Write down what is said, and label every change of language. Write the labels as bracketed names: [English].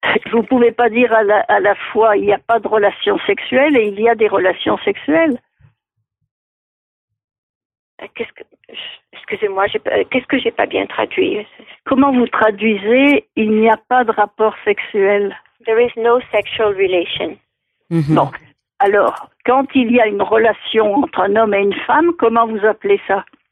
[French] Vous ne pouvez pas dire à la fois il n'y a pas de relation sexuelle et il y a des relations sexuelles. Qu'est-ce que j'ai pas bien traduit? Comment vous traduisez il n'y a pas de rapport sexuel? [English] There is no sexual relation. [French] Mm-hmm. Bon. Alors, quand il y a une relation entre un homme et une femme, comment vous appelez ça?